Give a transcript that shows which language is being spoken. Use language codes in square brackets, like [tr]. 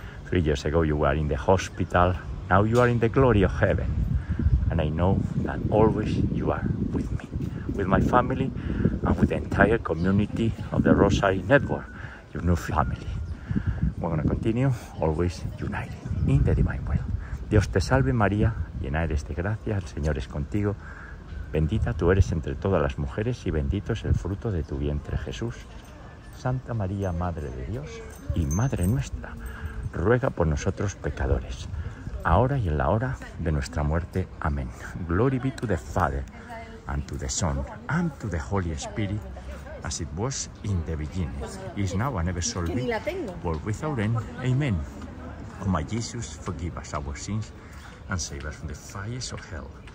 [en] 3 years ago, you were in the hospital. Now you are in the glory of heaven. And I know that always you are with me, with my family, and with the entire community of the Rosary Network, your new family. We're going to continue, always united in the divine will. [es] Dios te salve, María, llena eres de gracia, el Señor es contigo. Bendita tú eres entre todas las mujeres, y bendito es el fruto de tu vientre, Jesús. Santa María, Madre de Dios y Madre nuestra, ruega por nosotros, pecadores, ahora y en la hora de nuestra muerte. Amén. [en] Glory be to the Father, and to the Son, and to the Holy Spirit, as it was in the beginning, is now, and ever shall be, world without end. Amen. Oh my Jesus, forgive us our sins, and save us from the fires of hell.